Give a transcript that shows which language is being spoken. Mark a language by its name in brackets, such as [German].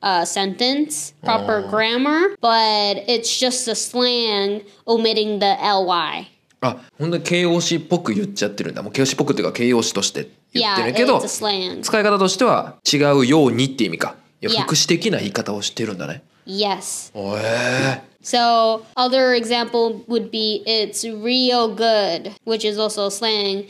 [English] sentence, proper grammar, but it's just a slang omitting the ly. [Japanese] あ、ほんと形容詞っぽく言っちゃってるんだ。もう形容詞っぽくっていうか形容詞として言ってるけど、 [English] yeah, it's a slang. [Japanese] 使い方としては違うようにって意味か。いや、副詞的な言い方をしてるんだね。 [English] Yes. [Japanese] ええー。 [English] So, other example would be it's real good, which is also a slang.